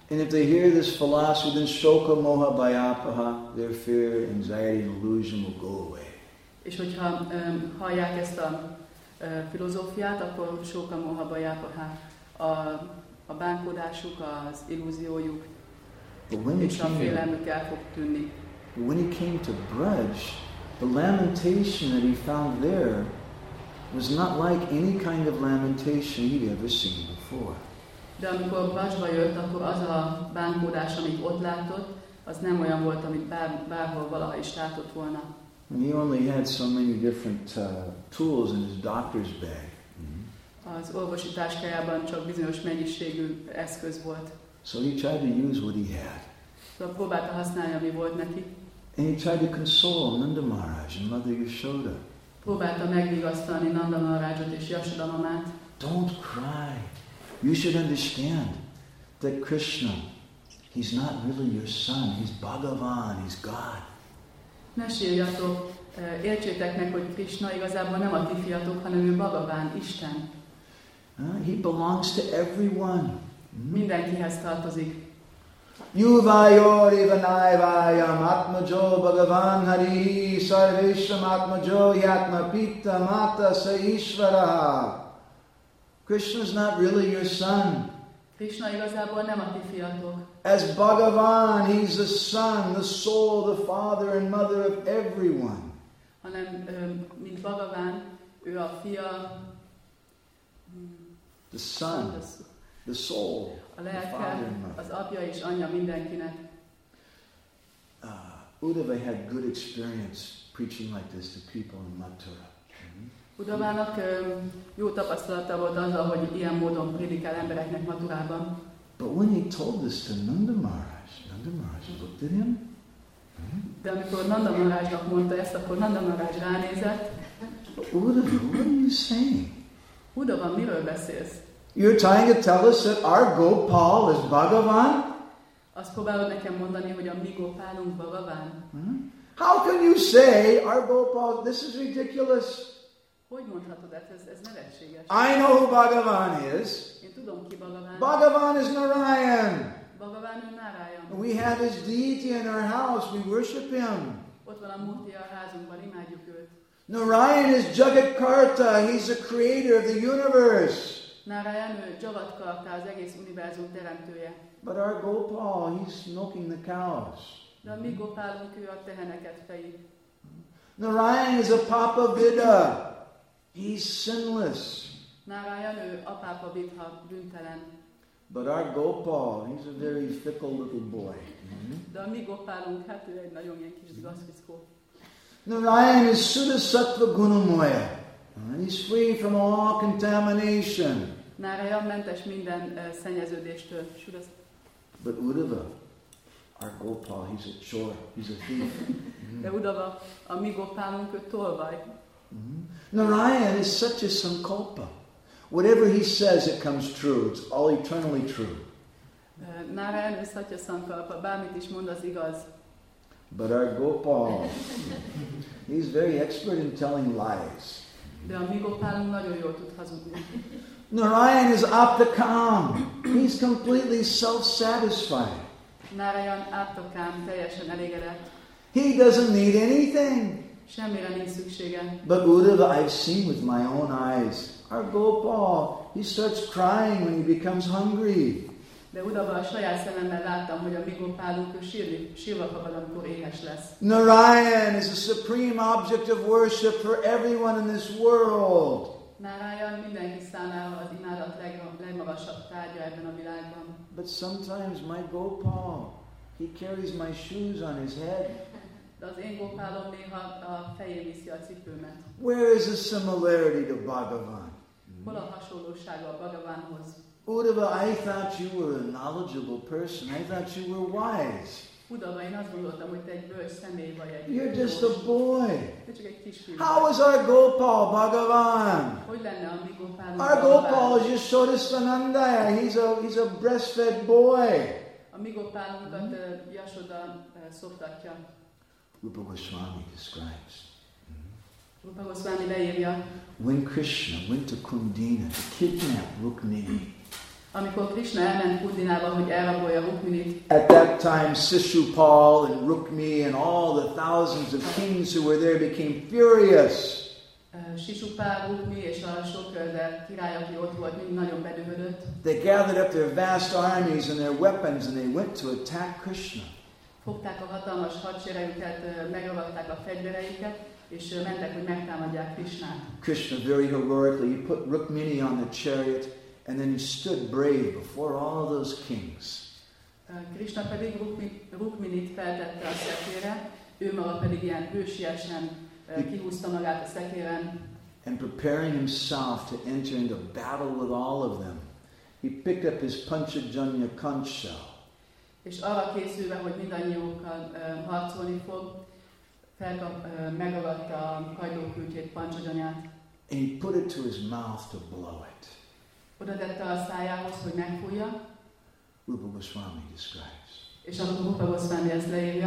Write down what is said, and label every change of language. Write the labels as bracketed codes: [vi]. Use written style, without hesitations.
[en] And if they hear this philosophy, then shoka, moha, bhayapaha, their fear, anxiety, and illusion will go away. [hu] És hogyha hallják ezt a filozófiát, akkor shoka, moha, bhayapaha, a bánkódásuk, az illúziójuk és a félelmük el fog tűnni. [en] But when he came to Braj, the lamentation that he found there was not like any kind of lamentation he'd ever seen before. [hu] De amikor Brajba jött, akkor az a bánkódás, amit ott látott, az nem olyan volt, amit bárhol valaha is látott volna. [en] And he only had so many different tools in his doctor's bag. [hu] Az orvosi táskájában csak bizonyos mennyiségű eszköz volt. [en] So he tried to use what he had. [hu] Szóval próbálta használni, ami volt neki. [en] And he tried to console Nanda Maharaj and Mother Yashoda. [hu] Próbálta megvigasztalni Nanda Maharajot és Yashoda mamát. [en] Don't cry. You should understand that Krishna, he's not really your son. He's Bhagavan. He's God. [hu] Ne sírjatok, értsétek meg, hogy Krishna igazából nem a ti fiatok, hanem ő Bhagavan, Isten. [en] He belongs to everyone. [hu] Mindenkihez tartozik. [sa] Yuvayor eva naivayam atmajo bhagavan hari sarvesham atmajo yatma pita mata sa ishvara. [en] Krishna's not really your son. [hu] Krishna igazából nem a ti fiatok. [en] As Bhagavan, he's the son, the soul, the father and mother of everyone. [hu] Hanem, mint Bhagavan, ő a fia, [en] the son, the soul, [hu] a lelke, [en] the father and mother. [hu] Az apja és anyja mindenkinek. [en] Uddhava had good experience preaching like this to people in Mathura. [hu] Uddhavának jó tapasztalata volt azzal, hogy ilyen módon prédikál embereknek Mathurában. [en] But when he told this to Nanda Maharaj, Nanda Maharaj looked at him. [hu] De amikor Nanda Maharajnak mondta ezt, akkor Nanda Maharaj ránézett. [en] Uddhava, what are you saying? [hu] Uddhava, miről beszélsz? [en] You're trying to tell us that our Gopal is Bhagavan? [hu] Azt próbálod nekem mondani, hogy a mi Gopálunk Bhagavan? [en] How can you say our Gopal, this is ridiculous. [hu] Hogy mondhatod ezt? Ez nevetséges. [en] I know who Bhagavan is. [hu] Én tudom, ki Bhagavan. [en] Bhagavan is Narayan. Bhagavan is Narayan. We have his deity in our house. We worship him. [hu] Ott van a Murti a házunkban, imádjuk őt. [en] Narayan is Jagatkarta. He's the creator of the universe. [hu] Narayan ő Jagatkarta, az egész univerzum teremtője. [en] But our Gopal, he's milking the cows. [hu] De a mi Gopálunk, ő a teheneket feji. [en] Narayan is a Papa Vidha. He's sinless. [hu] Narayan ő a Papa Vidha, bűntelen. [en] But our Gopal, he's a very fickle little boy. [hu] De a mi Gopálunk, hát ő egy nagyon ilyen kis gazfickó. [en] Narayan is Sudasattva Gunamoya. He's free from all contamination. [hu] Narayan mentes minden szennyeződéstől. [en] But Uddhava, our Gopal, he's a chore, he's a thief. [hu] De Uddhava, a mi Gopálunk, ő tolvaj. [en] Narayan is such a sankalpa. Whatever he says, it comes true. It's all eternally true. Narayan is such a sankalpa. [hu] Bármit is mond, az igaz. [en] But our Gopal, he's very expert in telling lies. [hu] De a mi Gopálunk nagyon jól tud hazudni. [en] Narayan is aptakam. He's completely self-satisfied. [hu] Narayan aptakam, teljesen elégedett. [en] He doesn't need anything. [hu] Semmire nincs szüksége. [en] But Uddhava, I've seen with my own eyes. Our Gopal, he starts crying when he becomes hungry. [hu] De Uddhava, a saját szememmel láttam, hogy a mi Gopálunk sírva kapad, amikor éhes lesz. [en] Narayan is a supreme object of worship for everyone in this world. [hu] Narayan mindenki számára az imádat legmagasabb tárgya ebben a világban. [en] But sometimes my Gopal, he carries my shoes on his head. [hu] De az én Gopálom néha a fején viszi a cipőmet. [en] Where is the similarity to Bhagavan? [hu] Hol a hasonlóság a Bhagavanhoz? [en] Uddhava, I thought you were a knowledgeable person. I thought you were wise. [hu] Uddhava, én azt gondoltam, hogy te egy bölcs személy vagy. Egy [en] You're just a boy. [hu] Te csak egy kis fiú. [en] How is our Gopal, Bhagavan? [hu] Hogy lenne a mi Gopálunk? [en] Our Gopal is Yashoda Svanandaya. He's a breastfed boy. [hu] A mi Gopálunkat Yashoda szoptatja. [en] Rupa Goswami describes. [hu] Rupa Goswami leírja. [en] When Krishna went to Kundina to kidnap Rukmini. [hu] Amikor Krishna elment Kundinába, hogy elrabolja Rukminit. [en] At that time, Sishupal and Rukmi and all the thousands of kings who were there became furious. [hu] Sishupal, Rukmi és a sok király, aki ott volt, mind nagyon bedühödött. [en] They gathered up their vast armies and their weapons and they went to attack Krishna. [hu] Fogták a hatalmas hadseregüket, megragadták a fegyvereiket, és mentek, hogy megtámadják Krishnát. [en] Krishna very heroically put Rukmini on the chariot, and then he stood brave before all those kings. [hu] Krishna pedig Rukminit feltette a szekére, ő maga pedig ilyen hősiesen kihúzta magát a szekéren. [en] And preparing himself to enter into battle with all of them, he picked up his Panchajanya conch shell. [hu] És arra készülve, hogy mindannyiunkkal harcolni fog, megragadta a kajdókürtjét, pancsagyanyát. [en] And he put it to his mouth to blow it. [hu] Oda tette a szájához, hogy megfújja. [en] Rupa Goswami describes. [hu] És akkor Rupa Goswami ezt leírja.